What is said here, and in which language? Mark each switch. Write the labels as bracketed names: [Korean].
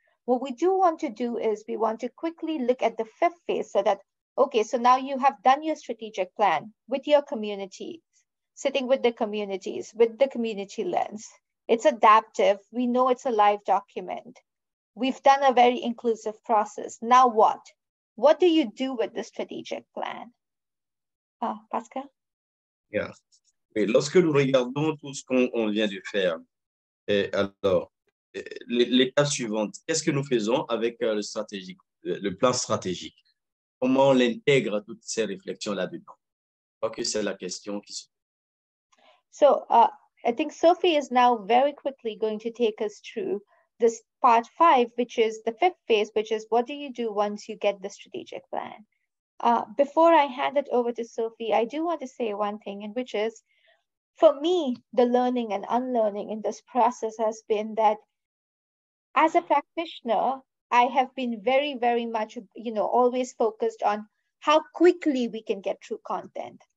[English] What we do want to do is we want to quickly look at the fifth phase so that, okay, so now you have done your strategic plan with your community, sitting with the communities, with the community lens. It's adaptive. We know it's a live document. We've done a very inclusive process. Now what? What do you do with the strategic plan? Pascal? Yeah. [French] Mais lorsque nous regardons tout ce qu'on vient de faire, et alors, l'étape suivante, qu'est-ce que nous faisons avec le stratégique, le plan stratégique? Comment on l'intègre à toutes ces réflexions-là dedans? Je crois que c'est la question qui se pose. [English] So, I think Sophie is now very quickly going to take us through this part five, which is the fifth phase, which is what do you do once you get the strategic plan? Before I hand it over to Sophie, I do want to say one thing, and which is, for me, the learning and unlearning in this process has been that as a practitioner, I have been very, very much, you know, always focused on how quickly we can get through content.